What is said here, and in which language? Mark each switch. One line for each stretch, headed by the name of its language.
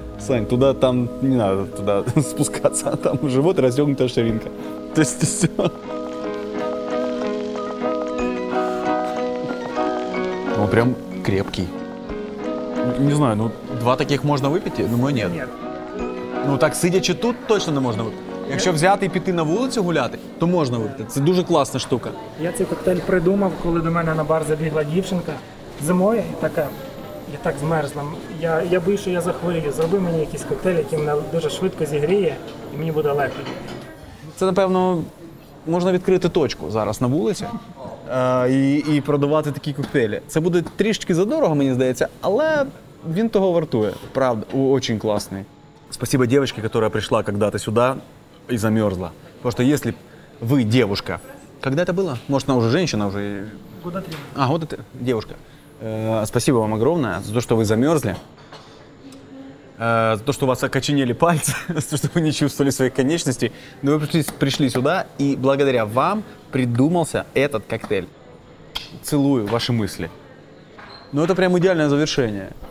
Russian: Сань, туда там не надо туда спускаться, а там живот и расстегнутая ширинка. То есть все. Он прям крепкий. Не знаю, ну два таких можно выпить, но мой нет. Нет. Ну так сидячи тут точно не можно выпить.
Ukrainian: Якщо взяти і піти на вулицю гуляти, то можна випити. Це дуже класна штука. Я цей коктейль придумав, коли до мене на бар забігла дівчинка зимою і така. Я так змерзла. Я боюсь, що я захворію. Зроби мені якийсь коктейль, який мене дуже швидко зігріє, і мені буде легше. Це, напевно, можна відкрити точку зараз на вулиці і продавати такі коктейлі. Це буде трішечки задорого, мені здається, але він того вартує. Правда, дуже класний. Спасибо дівчині, яка прийшла коли-то сюди і замерзла. Тому що якщо ви дівчина, коли це було? Може, вона вже жінка? Вже...
Russian: Года три. А, года три.
Ukrainian: Дівчина.
Russian: Спасибо вам огромное за то, что вы замерзли, за то, что у вас окоченели пальцы, за то, что вы не чувствовали своих конечностей. Но вы пришли сюда, и благодаря вам придумался этот коктейль. Целую ваши мысли. Ну, это прям идеальное завершение.